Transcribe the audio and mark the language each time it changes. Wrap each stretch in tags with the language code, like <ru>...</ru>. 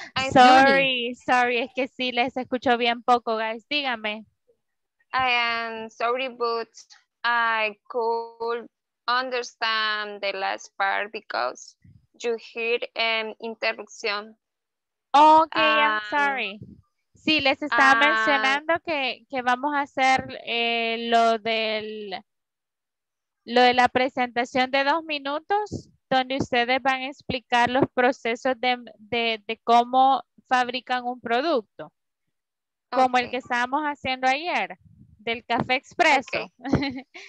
<es>Sorry, es que sí les escucho bien poco, guys. Dígame.</es> <en>I am sorry, but I could understand the last part because you hear an interruption. Okay, I'm sorry.</en> <es>Sí, les estaba mencionando que vamos a hacer lo del lo de la presentación de 2 minutos, donde ustedes van a explicar los procesos de cómo fabrican un producto, como okay. el que estábamos haciendo ayer, del café expreso, okay.</es>